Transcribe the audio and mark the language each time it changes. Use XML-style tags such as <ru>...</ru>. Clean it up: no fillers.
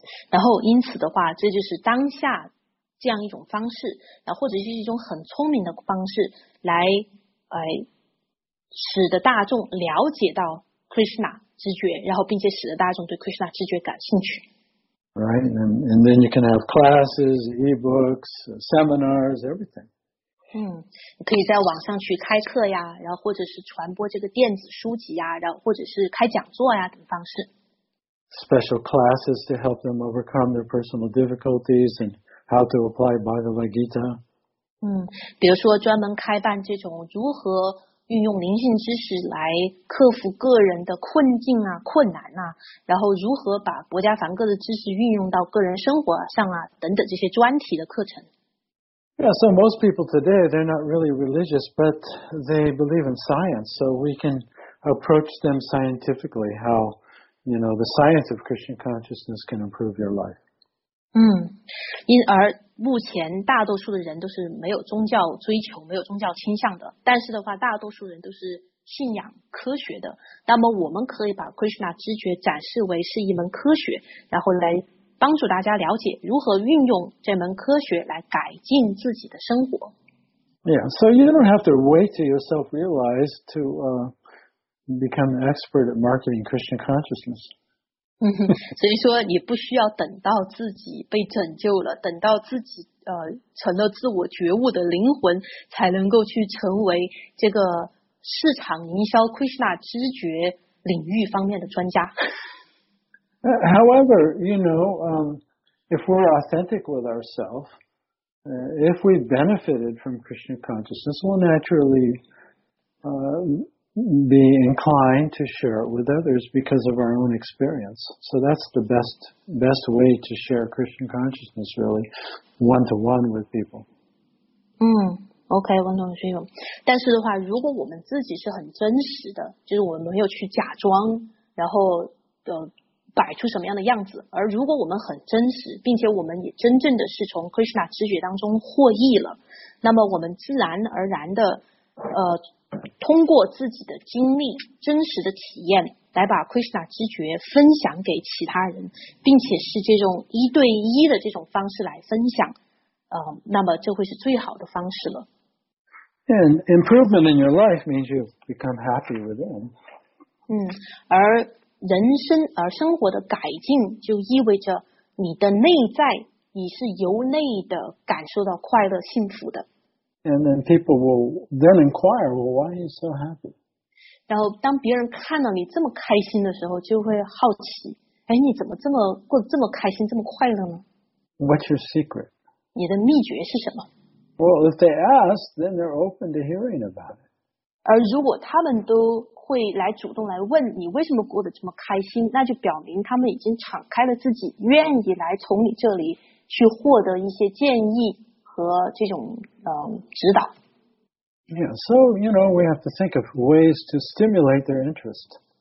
<zh>然后因此的话，这就是当下这样一种方式，或者是一种很聪明的方式来使得大众了解到 Krishna 知觉，然后并且使得大众对 Krishna 知觉感兴趣。</zh> <en>Right, and then you can have classes, e-books, seminars, everything.</en> <zh>你可以在网上去开课呀，然后或者是传播这个电子书籍呀，然后或者是开讲座呀等方式。</zh> <en>Special classes to help them overcome their personal difficulties and how to apply Bhagavad Gita.</en> <zh>比如说专门开办这种如何运用灵性知识来克服个人的困境啊、困难啊，然后如何把薄伽梵歌的知识运用到个人生活上啊等等这些专题的课程。</zh> <en>Yeah, so most people today, they're not really religious, but they believe in science, so we can approach them scientifically, how, you know, the science of Krishna consciousness can improve your life.</en> <zh>因而目前大多数的人都是没有宗教追求，没有宗教倾向的，但是的话，大多数人都是信仰科学的，那么我们可以把 Krishna 知觉展示为是一门科学，然后来帮助大家了解如何运用这门科学来改进自己的生活。</zh> <en>Yeah, so you don't have to wait till you self-realize to become an expert at marketing Krishna consciousness.</en> <zh>所以说你不需要等到自己被拯救了，等到自己成了自我觉悟的灵魂，才能够去成为这个市场营销 Krishna 知觉领域方面的专家。</zh> <en>However, you know, if we're authentic with ourselves, if we benefited from Krishna consciousness, we'll naturally be inclined to share it with others because of our own experience. So that's the best way to share Krishna consciousness, really, one-to-one with people.</en> <zh>OK, 王总学友。但是的话，如果我们自己是很真实的，就是我们没有去假装，然后摆出什么样的样子，而如果我们很真实，并且我们也真正的是从 Krishna 知觉当中获益了，那么我们自然而然的通过自己的经历真实的体验来把 Krishna 知觉分享给其他人，并且是这种一对一的这种方式来分享，那么这会是最好的方式了。</zh> <en>And improvement in your life means you've become happy within.</en> <zh>而人生而生活的改进就意味着你的内在你是由内的感受到快乐幸福的。</zh> <en>And then people will then inquire, well, why are you so happy?</en> <zh>然后当别人看到你这么开心的时候就会好奇，哎，你怎么这么过得这么开心这么快乐呢？</zh> <en>What's your secret?</en> <zh>你的秘诀是什么？</zh> <en>Well, if they ask, then they're open to hearing about it.</en> <zh>而如果他们都会来主动来问你为什么过得这么开心，那就表明他们已经敞开了自己，愿意来从你这里去获得一些建议和这种指导。</zh> <en>Yeah, so you know we have to think of ways to stimulate their interest.</en>